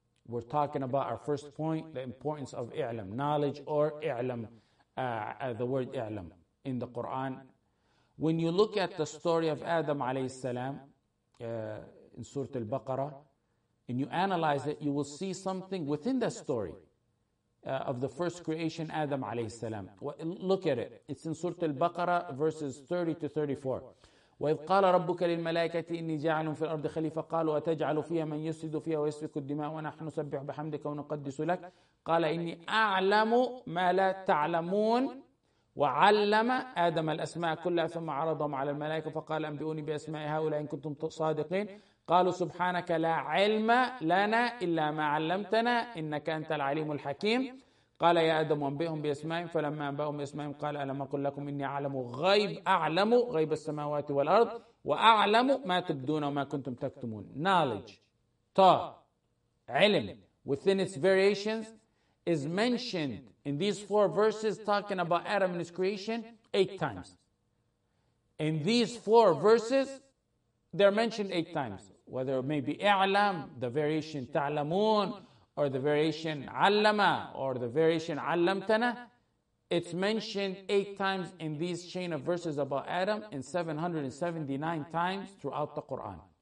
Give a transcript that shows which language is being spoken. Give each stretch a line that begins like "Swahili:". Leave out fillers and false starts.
English: We're talking about our first point, the importance of I'lam, knowledge, or I'lam, the word I'lam in the Quran. When you look at the story of Adam alayhi salam in Surah Al-Baqarah, and you analyze it, you will see something within the story of the first creation, Adam alayhi salam. Look at it. It's in Surah Al-Baqarah, verses 30-34.
Arabic: وَإِذْ قَالَ رَبُّكَ لِلْمَلَائِكَةِ إِنِّي جَاعِلٌ فِي الْأَرْضِ خَلِيفَةً قَالُوا أَتَجْعَلُ فِيهَا مَنْ يُسْفِكُ فِيهَا وَيَسْفِكُ الدِّمَاءَ وَنَحْنُ نُسَبِّحُ بِحَمْدِكَ وَنُقَدِّسُ لَكَ قَالَ إِنِّي أَعْلَمُ مَا لَا تَعْلَمُونَ وعلم آدم الأسماء كلها ثم عرضهم على الملائكة فقال أنبئوني بأسماء هؤلاء إن كنتم صادقين قالوا سبحانك لا علم لنا إلا ما علمتنا إنك أنت العليم الحكيم قال يا آدم أنبئهم بأسمائهم فلما أنبأهم بأسمائهم قال ألم أقل لكم إني أعلم غيب أعلم غيب السماوات والأرض وأعلم ما تبدون وما كنتم تكتمون.
English: Knowledge, ta, علم, within its variations, is mentioned in these four verses talking about Adam and his creation 8 times. In these four verses, they're mentioned 8 times. Whether it may be I'lam, the variation ta'lamun, or the variation allama, or the variation allamtana, it's mentioned 8 times in these chain of verses about Adam and 779 times throughout the Quran.